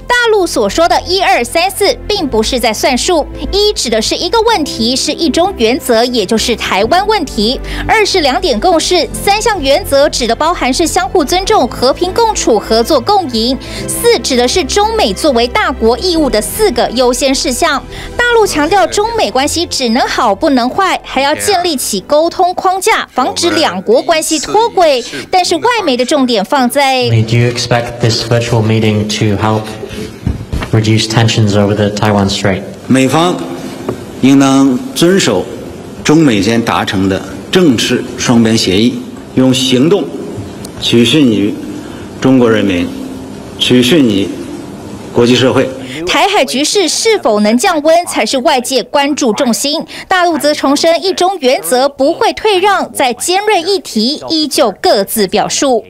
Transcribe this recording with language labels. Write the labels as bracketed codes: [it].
[zh] 大陆所说的一二三四并不是在算数，一指的是一个问题，是一中原则，也就是台湾问题；二是两点共识；三项原则指的包含是相互尊重、和平共处、合作共赢；四指的是中美作为大国义务的四个优先事项。大陆强调中美关系只能好不能坏，还要建立起沟通框架，防止两国关系脱轨。但是外媒的重点放在 [en] Do you expect this virtual meeting to help reduce tensions over the Taiwan Strait? [zh] 美方应当遵守中美间达成的正式双边协议，用行动取信于中国人民，取信于国际社会。台海局势是否能降温才是外界关注重心，大陆则重申一中原则不会退让，在尖锐议题依旧各自表述。